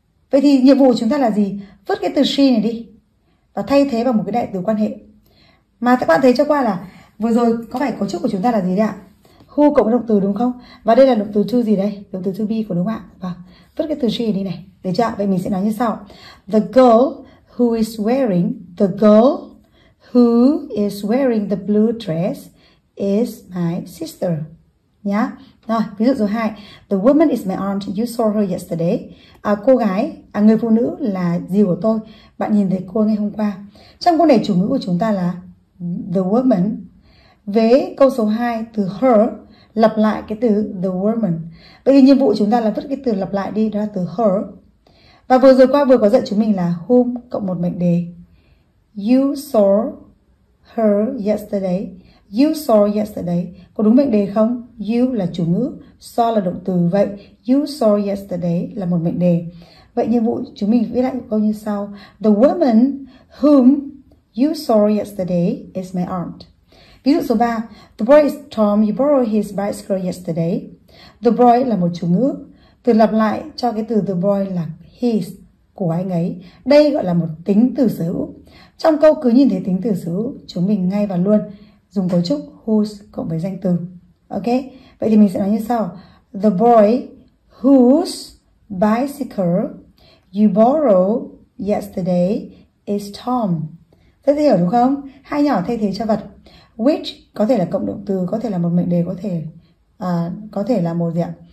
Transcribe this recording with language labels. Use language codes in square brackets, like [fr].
[vi] Vậy thì nhiệm vụ của chúng ta là gì? Vứt cái từ she này đi. Và thay thế bằng một cái đại từ quan hệ. Mà các bạn thấy cho qua là vừa rồi có phải cấu trúc của chúng ta là gì đấy ạ? Who cộng động từ đúng không? Và đây là động từ to gì đây? Động từ to be của đúng không ạ? Vâng. Vứt cái từ she đi này. Để chưa ạ? Vậy mình sẽ nói như sau. [en] The girl who is wearing the girl who is wearing the blue dress is my sister. [vi] Nhá. Rồi, ví dụ số 2. [en] The woman is my aunt. You saw her yesterday. [vi] Người phụ nữ là dì của tôi. Bạn nhìn thấy cô ngày hôm qua. Trong câu này chủ ngữ của chúng ta là the woman. Với câu số 2, từ her lặp lại cái từ the woman. Vậy thì nhiệm vụ chúng ta là vứt cái từ lặp lại đi, đó là từ her. Và vừa rồi qua vừa có dạy chúng mình là whom cộng một mệnh đề. [en] You saw her yesterday. You saw yesterday. [vi] Có đúng mệnh đề không? You là chủ ngữ, saw là động từ. Vậy you saw yesterday là một mệnh đề. Vậy nhiệm vụ chúng mình viết lại câu như sau. [en] The woman whom you saw yesterday is my aunt. [vi] Ví dụ số 3. [en] The boy is Tom. You borrowed his bicycle yesterday. [vi] The boy là một chủ ngữ. Từ lặp lại cho cái từ the boy là his, của anh ấy. Đây gọi là một tính từ sở hữu. Trong câu cứ nhìn thấy tính từ sở hữu, chúng mình ngay vào luôn dùng cấu trúc whose cộng với danh từ. Ok, vậy thì mình sẽ nói như sau. [en] The boy whose bicycle you borrowed yesterday is Tom. [vi] Rất dễ hiểu đúng không? Hai nhỏ thay thế cho vật. Which có thể là cộng động từ, có thể là một mệnh đề, có thể là một gì ạ?